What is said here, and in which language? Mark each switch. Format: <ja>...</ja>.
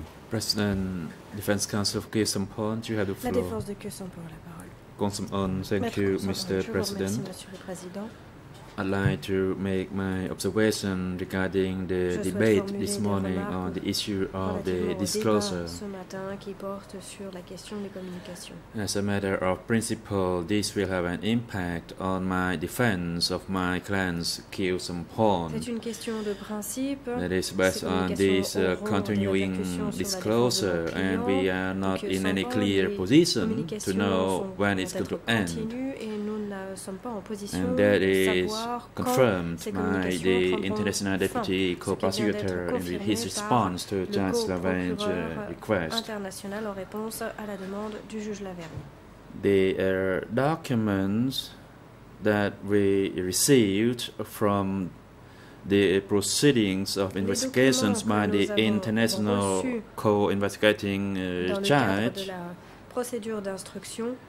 <en>President, Defense Counsel of Khe Sampon, you have the floor.</en> <fr>La défense de Khe Sampon, la parole.</fr> <en>Consum-on, thank you, Mr. President. I'd like to make my observation regarding the debate this morning on the issue of the disclosure.</en> <fr>Ce matin qui porte sur la question des communications.</fr> <en>As a matter of principle, this will have an impact on my defense of my client's Khe Sampon.</en> <fr>C'est une question de principe.</fr> <en>That is based on this continuing disclosure, and we are not in any clear position to know when it's going to end. And that is confirmed by the international deputy co-prosecutor in his response to Judge Lavergne's request.</en> <fr>International en réponse à la demande du juge Lavergne.</fr> <en>The documents that we received from the proceedings of investigations by the international co-investigating judge</en> <fr>procédure d'instruction</fr>